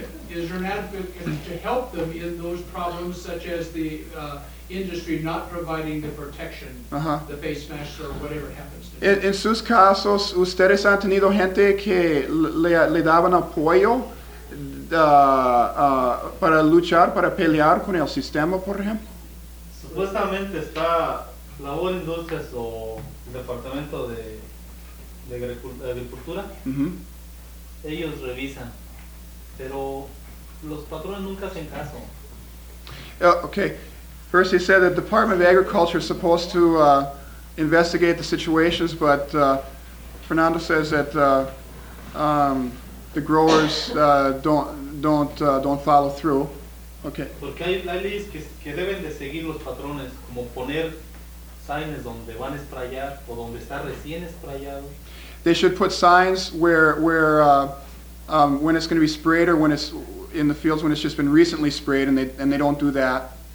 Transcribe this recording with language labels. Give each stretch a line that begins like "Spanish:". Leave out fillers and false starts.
English: Is there an advocate to help them in those problems, such as the industry not providing the protection, the face masks or whatever happens to them?
Spanish: En sus casos, ustedes han tenido gente que le daban apoyo. Para luchar, para pelear con el sistema, por ejemplo? Supuestamente está la World Industries o el Departamento de Agricultura. Uh-huh. Ellos revisan, pero los patrones nunca hacen caso.
English: Okay. First he said the Department of Agriculture is supposed to investigate the situations, but Fernando says that the growers don't follow through. Okay.
Spanish: Porque hay leyes que deben de seguir los patrones, como poner signs donde van a esprayar o donde está recién esprayado.
English: They should put signs where when it's going to be sprayed or when it's in the fields when it's just been recently sprayed, and they don't do that.